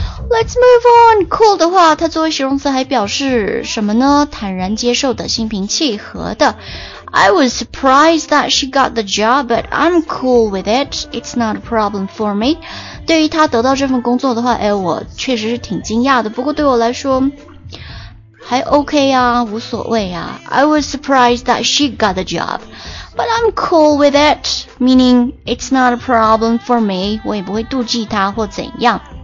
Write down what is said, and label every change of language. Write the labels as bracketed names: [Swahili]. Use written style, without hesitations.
[English] Let's move on cool [Chinese] 的话它作为形容词还表示什么呢坦然接受的心平气和的 [English] I was surprised that she got the job, but I'm cool with it. It's not a problem for me. [Chinese] 对于她得到这份工作的话，哎，我确实是挺惊讶的。不过对我来说，还 OK 啊，无所谓啊。 [English] I was surprised that she got the job, but I'm cool with it. Meaning, it's not a problem for me. [Chinese] 我也不会妒忌她或怎样。